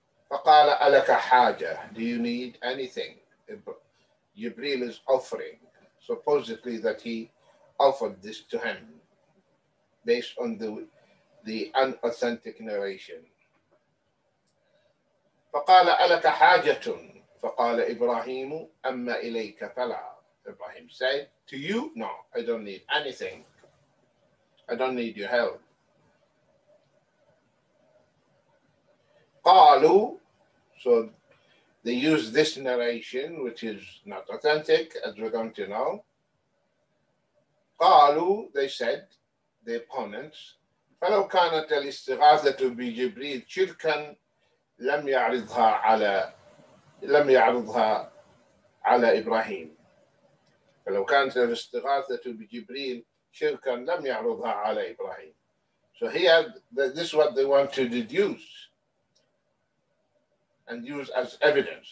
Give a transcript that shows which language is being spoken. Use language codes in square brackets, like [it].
[ar] فقال ألك حاجة, [en] do you need anything? Jibril is offering, supposedly that he offered this to him based on the unauthentic narration. [ar] فقال ألك حاجة, فقال إبراهيم أما إليك فلا. [en] Ibrahim said, to you, no, I don't need anything. I don't need your help. [ar] قالوا, [en] so they use this narration, which is not authentic, as we're going to know. [ar] قالوا, [en] they said, the opponents, [ar] فلو كانت الاستغاثة بجبريل شركا لم يعرضها على لم يعرضها على إبراهيم. فلو كانت الاستغاثة بجبريل شركا لم يعرضها على إبراهيم. [en] So here, this is what they want to deduce and use as evidence.